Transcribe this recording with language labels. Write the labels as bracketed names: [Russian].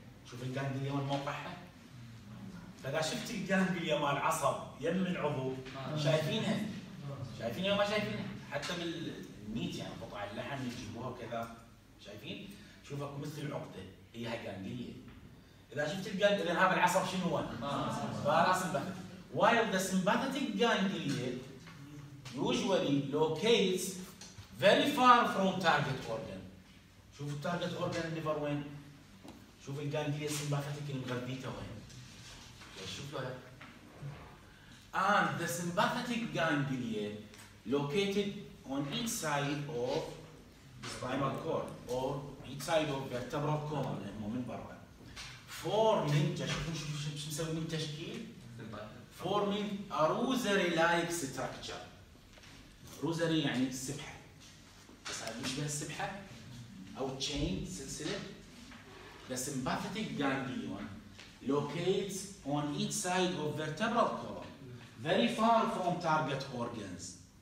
[Arabic] شوف الجانجليا وين موقعها؟ فإذا شفت الجانجليا مال عصب يم العضو شايفينها؟ شايفينها وما شايفينها؟ حتى بالميت يعني قطع اللحم يجيبوها كذا شايفين؟ شوف اكو مثل العقدة هي هاي جانجليا. إذا شفت الجانجليا إذا هذا العصب شنو هو؟ فراس البخت. [English] While the sympathetic ganglia usually locates very far from target organ. [Arabic] شوف [English] target organ liver [Arabic] وين؟ شوف ال [English] ganglia sympathetic [Arabic] المغذيته وين؟ شوف له. [English] And the sympathetic ganglia located on each side of the spinal cord or each side of vertebral column [Arabic] هم من برا. [English] Forming [Arabic] تشوفون شو مسوي من تشكيل؟ [English] forming a rosary-like structure. [Arabic] Rosary يعني السبحة. بس هذا مش بس السبحة أو chain سلسلة. [English] The sympathetic ganglion locates on each side of vertebral column, very far from target organs.